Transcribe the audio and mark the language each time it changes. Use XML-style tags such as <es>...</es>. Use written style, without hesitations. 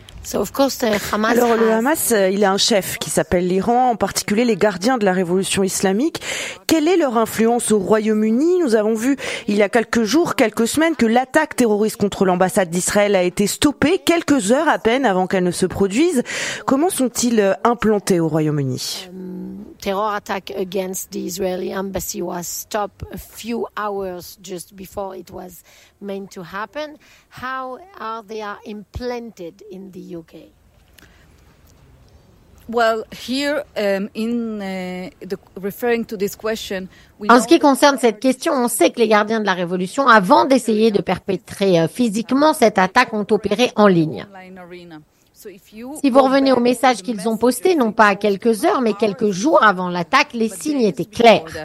<fr>Alors le Hamas, il a un chef qui s'appelle l'Iran, en particulier les gardiens de la révolution islamique. Quelle est leur influence au Royaume-Uni? Nous avons vu il y a quelques jours, quelques semaines, que l'attaque terroriste contre l'ambassade d'Israël a été stoppée quelques heures à peine avant qu'elle ne se produise. Comment sont-ils implantés au Royaume-Uni?</fr> <en>Terror attack against the Israeli embassy was stopped a few hours just before it was meant to happen. How are they implanted in the UK? Well, here in the referring to this question.</en> <fr>En ce qui concerne cette question, on sait que les gardiens de la Révolution, avant d'essayer de perpétrer physiquement cette attaque, ont opéré en ligne. Si vous revenez au message qu'ils ont posté, non pas à quelques heures, mais quelques jours avant l'attaque, les signes étaient clairs.</fr>